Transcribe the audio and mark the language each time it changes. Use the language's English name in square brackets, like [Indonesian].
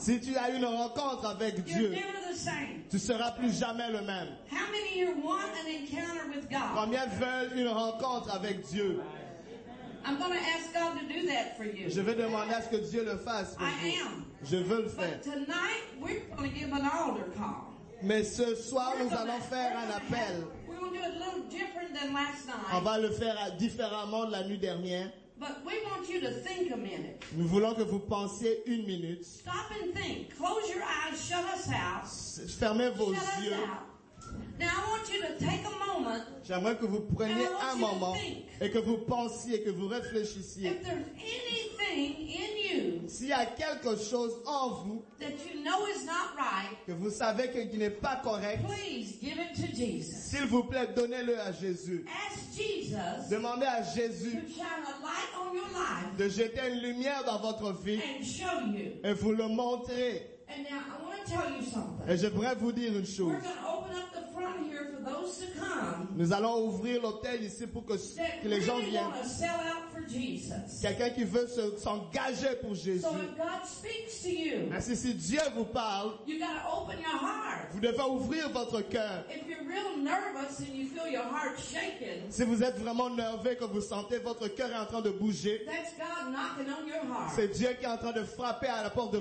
[French] si tu as une rencontre avec Dieu, tu seras plus jamais le même. [English] How many here want an encounter with God? [French] Combien veulent une rencontre avec Dieu? [English] I'm going to ask God to do that for you. [French] Je vais demander à ce que Dieu le fasse pour vous. [English] I am. [French] Je veux le faire. [English] But tonight we're going to give an altar call. [French] Mais ce soir, nous allons faire un appel. [English] We will do it a little different than last night. [French] On va le faire différemment de la nuit dernière. [English] But we want you to think a minute. [French] Nous voulons que vous pensiez une minute. [English] Stop and think. Close your eyes. Shut us out. [French] Fermez vos yeux. [English] Now I want you to take a moment. [French] J'aimerais que vous preniez un moment et que vous pensiez, que vous réfléchissiez. [English] If there's anything in you, [French] s'il y a quelque chose en vous, [English] that you know is not right, [French] que vous savez qu'il n'est pas correct, [English] please give it to Jesus. [French] S'il vous plaît, donnez-le à Jésus. [English] Ask Jesus. [French] Demandez à Jésus [English] to shine a light on your life, [French] de jeter une lumière dans votre vie, [English] and show you, [French] et vous le montrer. [English] And now I want to tell you something. [French] Et j'aimerais vous dire une chose. [English] We're going to open up the front here for those to come. [French] Nous allons ouvrir l'autel ici pour que, les gens viennent. [English] Really want to sell out for Jesus. [French] Quelqu'un qui veut s'engager pour Jésus. [English] So if God speaks to you, [French] ainsi si Dieu vous parle, [English] you got to open your heart. [French] Vous devez ouvrir votre cœur. [English] If you're real nervous and you feel your heart shaking, [French] si vous êtes vraiment nerveux, que vous sentez votre cœur en train de bouger, [English] that's God knocking on your heart. [French] C'est Dieu qui est en train de frapper à la porte de